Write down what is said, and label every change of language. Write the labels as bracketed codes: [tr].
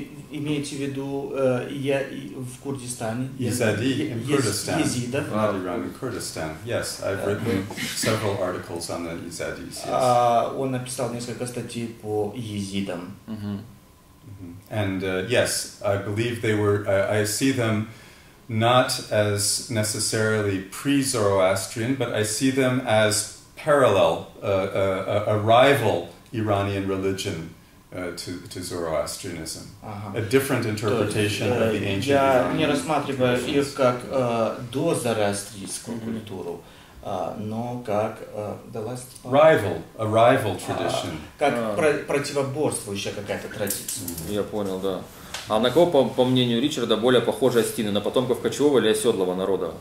[ru] Имеете в виду в Курдистане? [en] Yazidi in Kurdistan. Yazidi in Kurdistan. Yes, I've written several articles on the Yazidis. Yes. [ru] Он написал несколько статей по езидам. [en] And yes, I believe they were. I see them. Not as necessarily pre-Zoroastrian, but I see them as parallel, a rival Iranian religion to Zoroastrianism. Uh-huh. A different interpretation of the ancient Iranian. [ru] Я не рассматриваю их как дозороастрийскую культуру, но как [en] rival, a rival tradition. [ru] Как противоборствующая какая-то традиция. Я понял, да. А на кого, по мнению Ричарда, более похожи осетины? На потомков кочевого или оседлого народа?